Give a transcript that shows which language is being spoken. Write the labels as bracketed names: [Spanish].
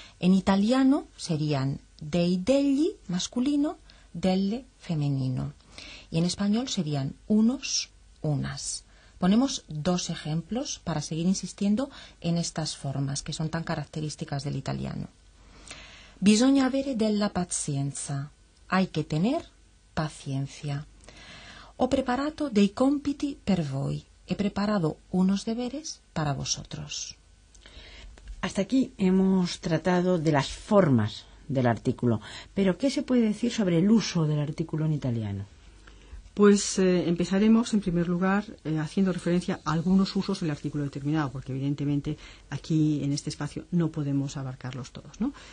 [Spanish] En italiano serían dei degli masculino, delle femenino. Y en español serían unos, unas. Ponemos dos ejemplos para seguir insistiendo en estas formas que son tan características del italiano. [Italian] Bisogna avere della pazienza. [Spanish] Hay que tener paciencia. [Italian] Ho preparato dei compiti per voi. [Spanish] He preparado unos deberes para vosotros. Hasta aquí hemos tratado de las formas del artículo. Pero, ¿qué se puede decir sobre el uso del artículo en italiano? Pues empezaremos, en primer lugar, haciendo referencia a algunos usos del artículo determinado, porque evidentemente aquí, en este espacio, no podemos abarcarlos todos, ¿no?